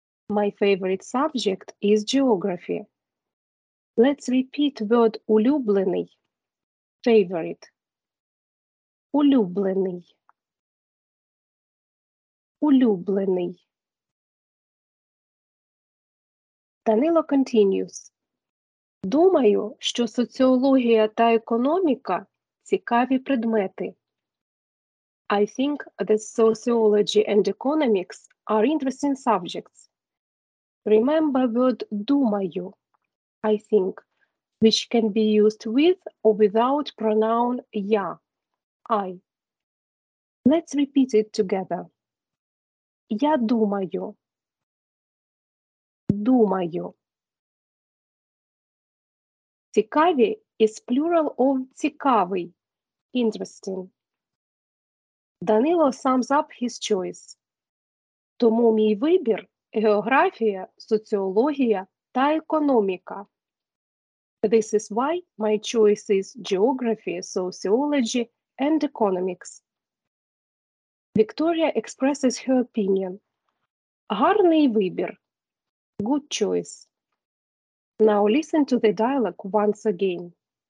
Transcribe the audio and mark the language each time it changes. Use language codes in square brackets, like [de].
[en] My favorite subject is geography. Let's repeat word улюблений, favorite. Улюблений. [uk] Улюблений. [en] Данило continues. [uk] Думаю, що соціологія та економіка – цікаві предмети. [en] I think that sociology and economics are interesting subjects. Remember word «думаю», I think, which can be used with or without pronoun «я», I. Let's repeat it together. Я думаю. Думаю. Цікаві is plural of цікавий. Interesting. Данило sums up his choice. [uk] Тому мій вибір – географія, соціологія та економіка. [en] This is why my choice is geography, sociology and economics. Victoria expresses her opinion. Гарний вибір. Good choice. Now listen to the dialogue once again.